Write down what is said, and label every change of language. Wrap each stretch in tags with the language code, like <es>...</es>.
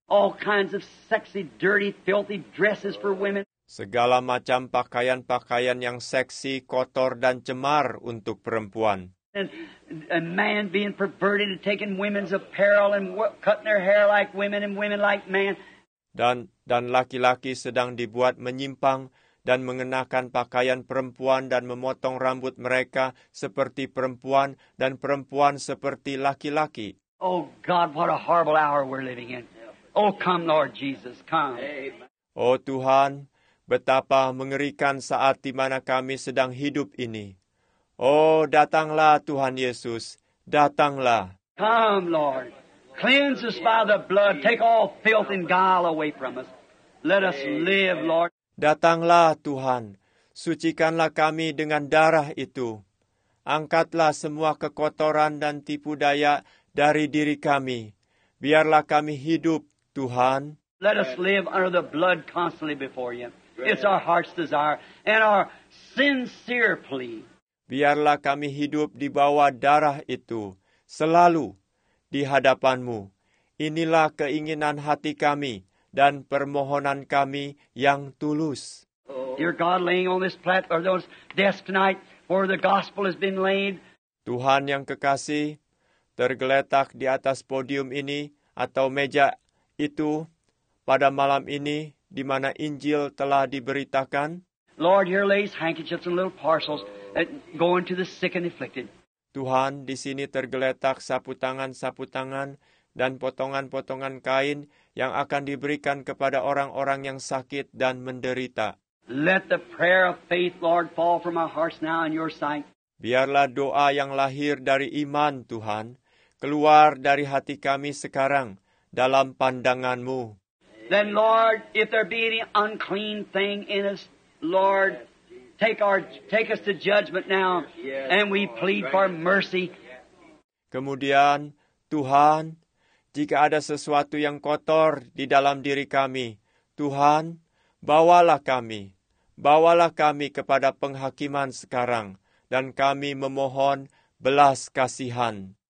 <en>All kinds of sexy, dirty, filthy dresses for women.</en> <id>Segala macam pakaian-pakaian yang seksi, kotor, dan cemar untuk perempuan.</id> <en>And man being perverted and taking women's apparel and cutting their hair like women and women like man.</en> <id>Dan laki-laki sedang dibuat menyimpang dan mengenakan pakaian perempuan dan memotong rambut mereka seperti perempuan dan perempuan seperti laki-laki.</id> <en>Oh God, what a horrible hour we're living in. Oh, come, Lord Jesus, come.</en> <id>Oh, Tuhan, betapa mengerikan saat di mana kami sedang hidup ini. Oh, datanglah, Tuhan Yesus, datanglah.</id> <en>Come, Lord, cleanse us by the blood. Take all filth and guile away from us. Let us live, Lord.</en> <id>Datanglah, Tuhan, sucikanlah kami dengan darah itu. Angkatlah semua kekotoran dan tipu daya dari diri kami. Biarlah kami hidup. Tuhan,</id> <en>let us live under the blood constantly before you. It's our heart's desire and our sincere plea.</en> <id>Biarlah kami hidup di bawah darah itu selalu di hadapan-Mu. Inilah keinginan hati kami dan permohonan kami yang tulus.</id> <en>Dear God, laying on this platform, those desk tonight where the gospel has been laid.</en> <id>Tuhan yang kekasih, tergeletak di atas podium ini atau meja itu pada malam ini di mana Injil telah diberitakan.</id> <en>Lord, here lays handkerchiefs and little parcels that go into the sick and afflicted.</en> <id>Tuhan, di sini tergeletak sapu tangan dan potongan-potongan kain yang akan diberikan kepada orang-orang yang sakit dan menderita.</id> <en>Let the prayer of faith, Lord, fall from our hearts now in your sight.</en> <id>Biarlah doa yang lahir dari iman, Tuhan, keluar dari hati kami sekarang dalam pandangan-Mu.</id> <en>Then, Lord, if there be any unclean thing in us, Lord, take us to judgment now, and we plead for mercy.</en> <id>Kemudian, Tuhan, jika ada sesuatu yang kotor di dalam diri kami, Tuhan, bawalah kami kepada penghakiman sekarang, dan kami memohon belas kasihan.</id>